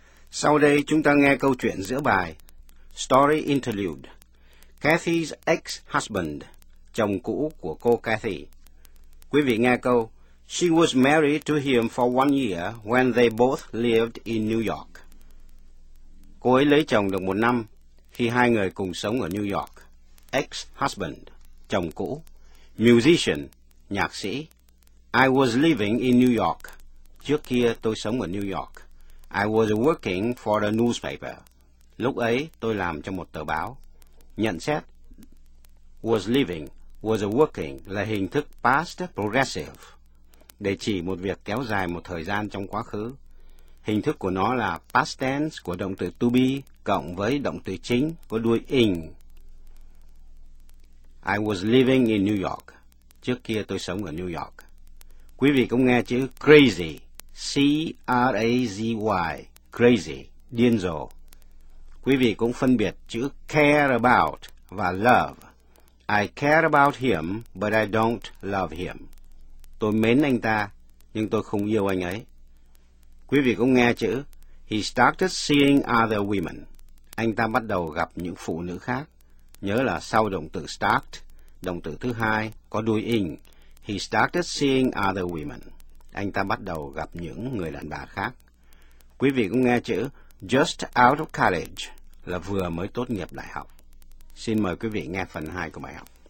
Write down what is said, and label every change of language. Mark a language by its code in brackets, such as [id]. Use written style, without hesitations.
[vi] Sau đây chúng ta nghe câu chuyện giữa bài Story Interlude. [en] Kathy's ex-husband, [vi] chồng cũ của cô Kathy. Quý vị nghe câu, [en] She was married to him for 1 year when they both lived in New York. [vi] Cô ấy lấy chồng được 1 năm khi 2 người cùng sống ở New York. Ex-husband, chồng cũ. Musician, nhạc sĩ. [en] I was living in New York. [vi] Trước kia tôi sống ở New York. [en] I was working for a newspaper. [vi] Lúc ấy tôi làm cho một tờ báo. Nhận xét. was living, was working là hình thức past progressive, để chỉ một việc kéo dài một thời gian trong quá khứ. Hình thức của nó là past tense của động từ to be cộng với động từ chính có đuôi ing. [en] I was living in New York. [vi] Trước kia tôi sống ở New York. Quý vị cũng nghe chữ crazy, C-R-A-Z-Y, crazy, điên rồ. Quý vị cũng phân biệt chữ care about và love. [en] I care about him, but I don't love him. [vi] Tôi mến anh ta, nhưng tôi không yêu anh ấy. Quý vị cũng nghe chữ [en] he started seeing other women. [vi] Anh ta bắt đầu gặp những phụ nữ khác. Nhớ là sau động từ start, động từ thứ hai có đuôi ing. [en] He started seeing other women. [vi] Anh ta bắt đầu gặp những người đàn bà khác. Quý vị cũng nghe chữ [en] just out of college [vi] là vừa mới tốt nghiệp đại học. Xin mời quý vị nghe phần 2 của bài học.